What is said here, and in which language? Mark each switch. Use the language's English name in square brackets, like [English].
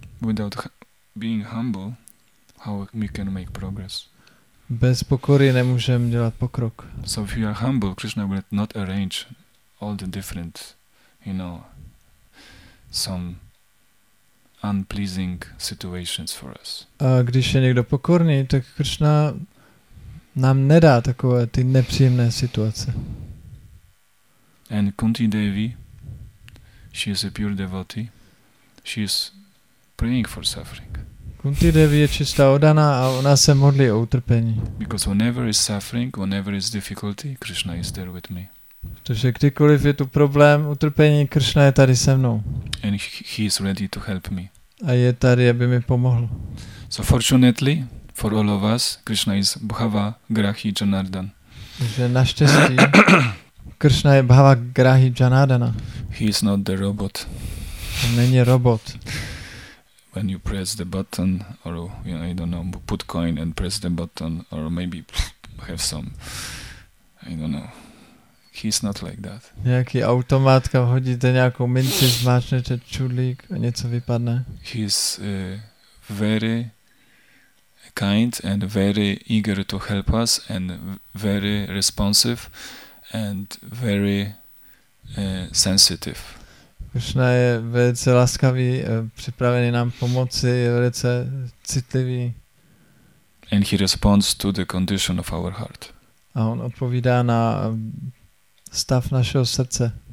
[English] Without being humble, how we can make progress? [Czech] Bez pokory nemůžeme dělat pokrok. [English] So if you are humble, Krishna will not arrange all the different, you know, some unpleasing situations for us. [Czech] A když je někdo pokorný, tak Krishna nám nedá takové ty nepříjemné situace. [English] And Kunti Devi, she is a pure devotee. She is praying for suffering. [Czech] Kunti Devi je čistá oddaná a ona se modlí o utrpení. [English] Because whenever is suffering, whenever is difficulty, Krishna is there with me. [Czech] Protože kdykoliv je tu problém, utrpení, Krishna je tady se mnou. [English] And he is ready to help me. [Czech] A je tady, aby mi pomohl. [English] So fortunately, for all of us, Krishna is Bhava Grahi Janardan. [Czech] Takže naštěstí, Krishna je Bhava Grahi Janardana. [English] He is not the robot. [Czech] On není robot. [English] When you press the button, or you know, I don't know, put coin and press the button, or maybe have some, I don't know. He's not like that. [Czech] Nějaký automátka, hodíte nějakou minci, zmáčnete čudlík a něco vypadne. [English] He's very kind and very eager to help us and very responsive and very sensitive. [Czech] Krishna je velice laskavý, připravený nám pomoci, je velice citlivý. [English] And he responds to the condition of our heart. [Czech] A on odpovídá na stav našeho srdce.